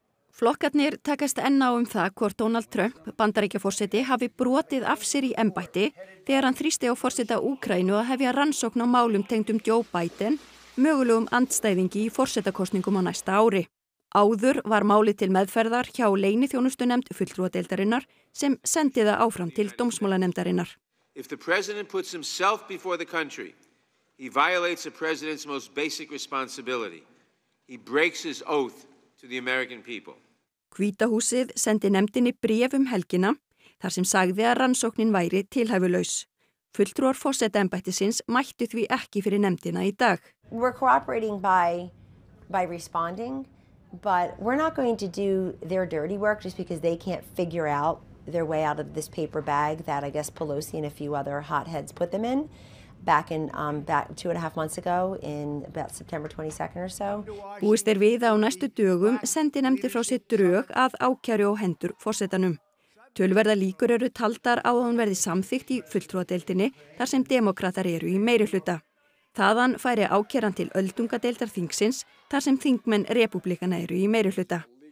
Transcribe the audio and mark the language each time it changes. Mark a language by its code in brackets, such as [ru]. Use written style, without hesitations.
[is] Flokkarnir takast enn á það hvort Donald Trump, bandaríkjaforseti, hafi brotið af sér í embætti þegar hann þrýsti á forseta Úkraínu að hefja rannsókn á málum tengdum Joe Biden, mögulegum andstæðingi í forsetakosningum á næsta ári. Áður var málið til meðferðar hjá leyniþjónustunefnd fulltrúadeildarinnar sem sendi það áfram til dómsmálanefndarinnar. [en] If the president puts himself before the country, he violates the president's most basic responsibility. He breaks his oath to the American people. [is] Hvíta húsið sendi nefndinni bréf helgina þar sem sagði að rannsóknin væri tilhæfulaus. Fulltrúar forseta embættisins mættu því ekki fyrir nefndina í dag. [en] We're cooperating by responding. But we're not going to do their dirty work just because they can't figure out their way out of this paper bag that I guess Pelosi and a few other hotheads put them in back in back 2.5 months ago in about September 22nd or so. [is] Búist er við á næstu dögum sendi nefndi frá sér drög að ákæru á hendur forsetanum. Tölverða líkur eru taldar á að hún verði samþykkt í fulltrúadeildinni þar sem demókratar eru í meirihluta. Þaðan færi ákæran til öldungadeildar þingsins þar sem þingmenn republikana eru í meirihluta.